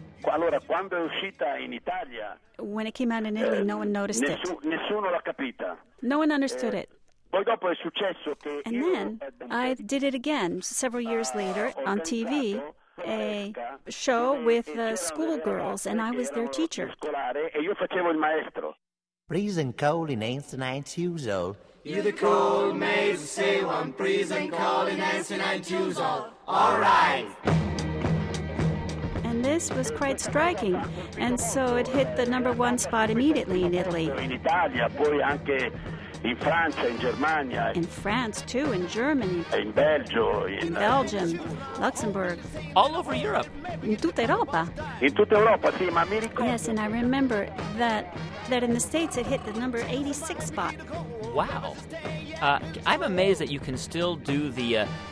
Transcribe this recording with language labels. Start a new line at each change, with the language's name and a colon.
Italian: Allora, quando è uscita in Italia,
English: when it came out in Italy, no one noticed it.
Italian: Nessuno l'ha capita.
English: No one understood it.
Italian: Poi dopo è successo che
English: and
Italian: io,
English: then I did it again several years later on TV, a show with the schoolgirls, and I was their teacher.
Italian: Scolare, e io facevo il maestro. Prison cold in ancient nights, you all. You the cold maids say one. Prison cold in ancient nights, you all.
English: All right. This was quite striking, and so it hit the number one spot immediately in Italy.
Italian: In Italia, poi anche in Francia, in Germania.
English: In France too, in Germany.
Italian: In Belgio. In
English: Belgium, Luxembourg. All over Europe.
Italian: In tutta Europa. In tutta Europa, sì, ma mi ricordo.
English: Yes, and I remember that in the States it hit the number 86 spot. Wow, I'm amazed that you can still do the.